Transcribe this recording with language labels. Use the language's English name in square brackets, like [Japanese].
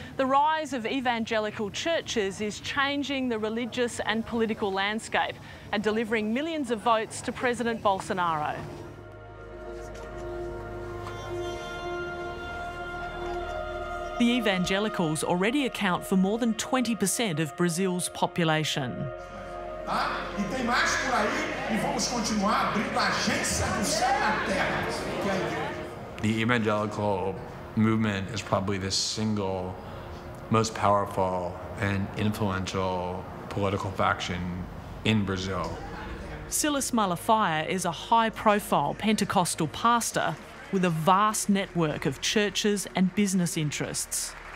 [English] The rise of evangelical churches is changing the religious and political landscape and delivering millions of votes to President Bolsonaro. The evangelicals already account for more than 20% of Brazil's population. [Portuguese] E tem mais por aí, e vamos continuar abrindo a agência do céu na terra. [English] The evangelical movement is probably the single most powerful and influential political faction in Brazil. Silas Malafaia is a high-profile Pentecostal pastor with a vast network of churches and business interests.